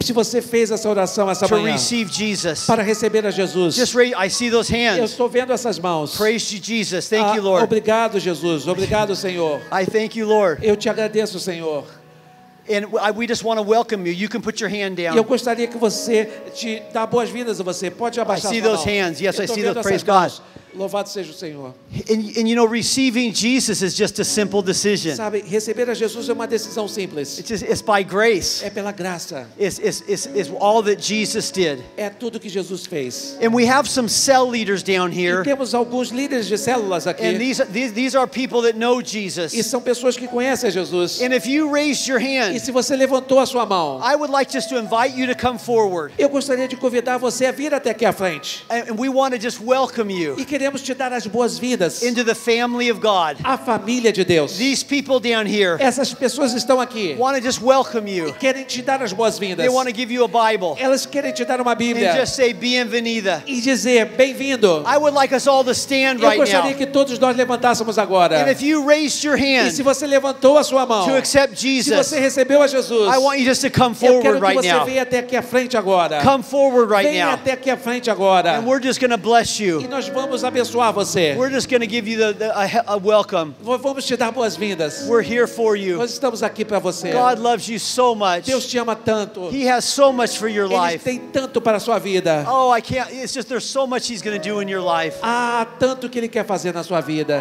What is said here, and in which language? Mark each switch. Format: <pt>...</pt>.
<pt>se você fez essa oração essa</pt> <en>to</en> <pt>manhã,</pt> <en>receive Jesus,</en> <pt>para receber a Jesus,</pt> <en>just raise. I see those hands.</en> <pt>Eu estou vendo essas mãos.</pt> <en>Praise to Jesus. Thank you, Lord.</en> <pt>Obrigado, Jesus. Obrigado, Senhor.</pt> <en>I thank you, Lord.</en> <pt>Eu te agradeço, Senhor.</pt> <en>And we just want to welcome you. You can put your hand down.</en> <pt>Eu gostaria que você te dar boas-vindas a você. Pode abaixar sua mão.</pt> <en>I see those hands. Yes, I see those. Praise God.</en> <pt>Louvado seja o Senhor.</pt> <en>And you know, receiving Jesus is just a simple decision.</en> <pt>Sabe, receber a Jesus é uma decisão simples.</pt> <en>It's by grace.</en> <pt>É pela graça.</pt> <en>It's all that Jesus did.</en> <pt>É tudo que Jesus fez.</pt> <en>And we have some cell leaders down here.</en> <pt>E temos alguns líderes de células aqui.</pt> <en>And these are people that know Jesus.</en> <pt>E são pessoas que conhecem a Jesus.</pt> <en>And if you raised your hand,</en> <pt>e se você levantou a sua mão,</pt> <en>I would like just to invite you to come forward.</en> <pt>Eu gostaria de convidar você a vir até aqui à frente.</pt> <en>And we want to just welcome you.</en> <pt>Queremos te dar as boas-vindas.</pt> <en>Into the family of God.</en> <pt>A família de Deus.</pt> <en>These people down here.</en> <pt>Essas pessoas estão aqui.</pt> <en>Want to just welcome you.</en> <pt>E querem te dar as boas-vindas.</pt> <en>They want to give you a Bible.</en> <pt>Elas querem te dar uma Bíblia.</pt> <en>And just say bienvenida.</en> <pt>E dizer bem-vindo.</pt> <en>I would like us all to stand right now.</en> <pt>Eu gostaria que todos nós levantássemos agora.</pt> <en>And if you raised your hand.</en> <pt>E se você levantou a sua mão.</pt> <en>To accept Jesus.</en> <pt>Se você recebeu a Jesus.</pt> <en>I want you just to come forward right now.</en> <pt>Eu quero que você venha até aqui à frente agora.</pt> <en>Come forward right</en> <pt>venha</pt> <en>now.</en> <pt>Venha até aqui à frente agora.</pt> <en>And we're just going to bless you.</en> <pt>E nós vamos abençoar você.</pt> <en>We're just going to give you a welcome.</en> <pt>Vamos te dar boas-vindas.</pt> <en>We're here for you.</en> <pt>Nós estamos aqui para você.</pt> <en>God loves you so much.</en> <pt>Deus te ama tanto.</pt> <en>He has so much for your life.</en> <pt>Ele tem tanto para a sua vida.</pt> <en>Oh, I can't. It's just there's so much he's going to do in your life.</en> <pt>Ah, tanto que ele quer fazer na sua vida.</pt>